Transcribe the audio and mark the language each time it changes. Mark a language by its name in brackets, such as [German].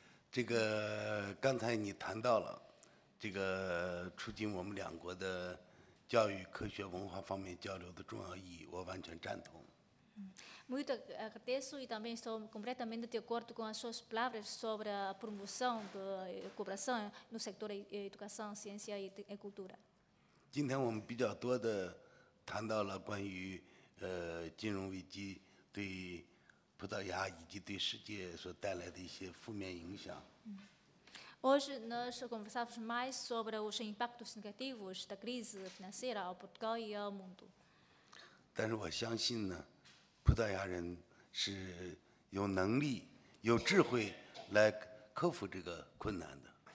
[Chinese] 这个刚才你谈到了，这个促进我们两国的教育、科学、文化方面交流的重要意义，我完全赞同。 [Portuguese] Muito agradeço e também estou completamente de acordo com as suas palavras sobre a promoção da cooperação no setor da educação, ciência e cultura. [Chinese] 今天我们比较多的谈到了关于金融危机对葡萄牙以及对世界所带来的一些负面影响。 [Portuguese] Hoje nós conversamos mais sobre os impactos negativos da crise financeira ao Portugal e ao mundo. [Chinese] 但是我相信呢，葡萄牙人是有能力、有智慧来克服这个困难的。